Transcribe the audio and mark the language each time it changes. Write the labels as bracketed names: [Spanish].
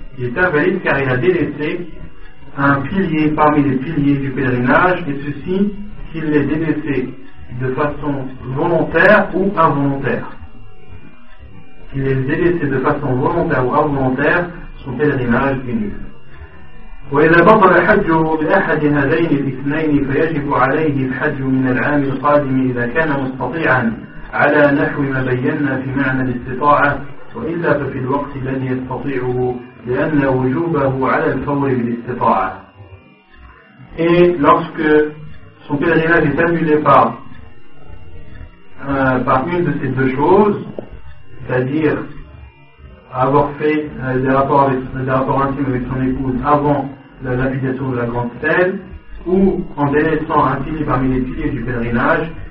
[French] Il est invalide car il a délaissé un pilier parmi les piliers du pèlerinage, et ceci, qu'il l'ait délaissé de façon volontaire ou involontaire. Il est délaissé de façon volontaire ou involontaire, son pèlerinage est nul. [Arabic] وإذا بطل الحج بأحد هذين الاثنين فيجب عليه الحج من العام القادم إذا كان مستطيعا على نحو ما بينا في معنى الاستطاعة، وإلا ففي الوقت لن يستطيعه لأن وجوبه على الفور بالاستطاعة. [French] Et lorsque son pèlerinage est annulé par une de ces deux choses, c'est-à-dire avoir fait des rapports intimes avec son épouse avant la lapidation de la grande stèle, ou en délaissant un pilier parmi les piliers du pèlerinage,